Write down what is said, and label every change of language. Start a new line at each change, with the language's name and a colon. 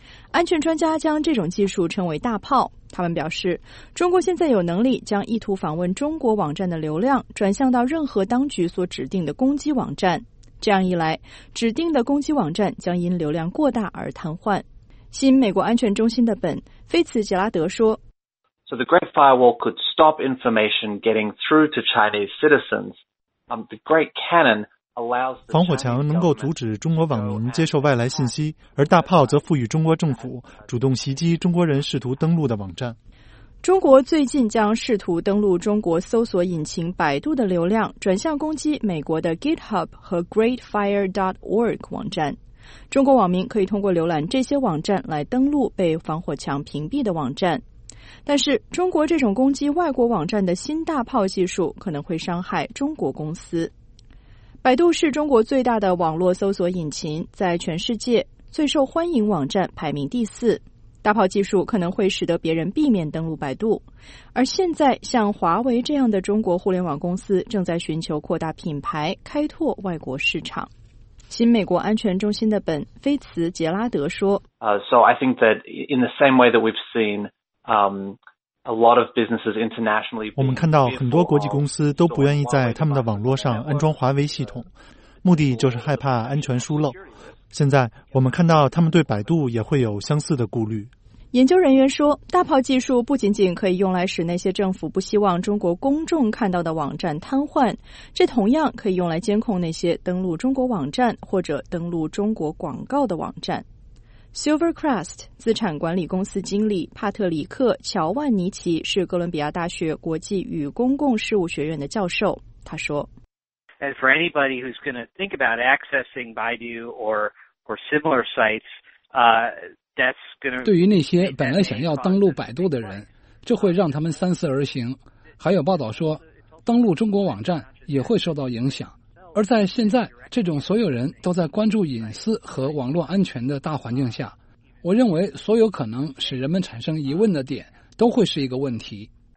Chinese: 安全专家将这种技术称为大炮。他们表示，中国现在有能力将意图访问中国网站的流量转向到任何当局所指定的攻击网站，这样一来，指定的攻击网站将因流量过大而瘫痪。新美国安全中心的本·菲茨杰拉德说
English: ：“So the Great Firewall could stop information getting through to Chinese citizens. The Great Cannon allows
Chinese: 防火墙能够阻止中国网民接受外来信息，而大炮则赋予中国政府主动袭击中国人试图登陆的网站。中国最近将试图登陆中国搜索引擎百度的流量转向攻击美国的 GitHub 和 GreatFire.org 网站。” 中国网民可以通过浏览这些网站来登录被防火墙屏蔽的网站，但是中国这种攻击外国网站的新大炮技术可能会伤害中国公司。百度是中国最大的网络搜索引擎，在全世界最受欢迎网站排名第四。大炮技术可能会使得别人避免登录百度，而现在像华为这样的中国互联网公司正在寻求扩大品牌，开拓外国市场。新美国安全中心的本·菲茨杰拉德说
English: So I think that in the same way that we've seen a lot of businesses internationally
Chinese: 我们看到很多国际公司都不愿意在他们的网络上安装华为系统，目的就是害怕安全疏漏。现在我们看到他们对百度也会有相似的顾虑。研究人员说，大炮技术不仅仅可以用来使那些政府不希望中国公众看到的网站瘫痪，这同样可以用来监控那些登录中国网站或者登录中国广告的网站。 Silvercrest 资产管理公司经理帕特里克·乔万尼奇是哥伦比亚大学国际与公共事务学院的教授，他说
English: And for anybody who's going to think about accessing Baidu or similar sites,
Chinese: 对于那些本来想要登录百度的人，这会让他们三思而行。还有报道说，登录中国网站也会受到影响。而在现在这种所有人都在关注隐私和网络安全的大环境下，我认为所有可能使人们产生疑问的点都会是一个问题。